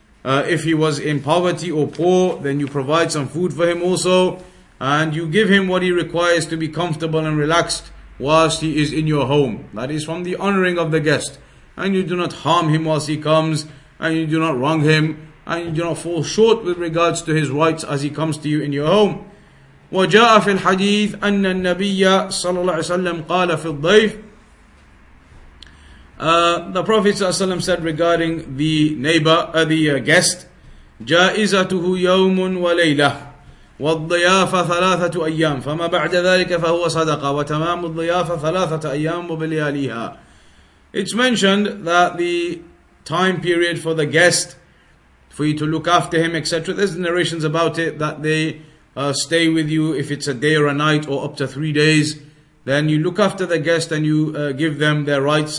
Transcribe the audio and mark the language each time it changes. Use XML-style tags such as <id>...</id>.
<en>If he was in poverty or poor, then you provide some food for him also, and you give him what he requires to be comfortable and relaxed whilst he is in your home. That is from the honoring of the guest. And you do not harm him whilst he comes, and you do not wrong him, and you do not fall short with regards to his rights as he comes to you in your home.</en> <ar>وجاء في الحديث أن النبي صلى الله عليه وسلم قال في الضيف.</ar> <en>The Prophet</en> <ar>صلى الله عليه وسلم</ar> <en>said regarding the neighbor, the guest,</en> <ar>جائزته يوم وليلة والضيافة ثلاثة أيام فما بعد ذلك فهو صدقة وتمام الضيافة ثلاثة أيام وبلياليها.</ar> <en>It's mentioned that the time period for the guest, for you to look after him, etc. There's narrations about it that they stay with you if it's a day or a night or up to 3 days, then you look after the guest and you give them their rights.</en>